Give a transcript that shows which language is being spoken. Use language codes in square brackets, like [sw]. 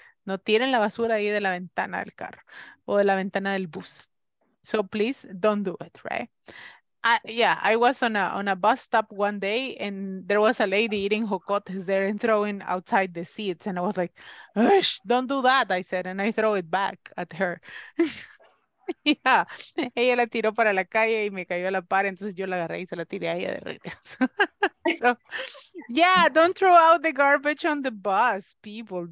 [es] No tiren la basura ahí de la ventana del carro o de la ventana del bus. [en] So please, don't do it, right? I was on a bus stop one day and there was a lady eating jocotes there and throwing outside the seats. And I was like, "Ush, don't do that," I said. And I throw it back at her. [es] Yeah, ella la tiró para la calle y me cayó a la par, entonces yo la agarré y se la tiré a ella de regreso. [en] So, yeah, don't throw out the garbage on the bus, people.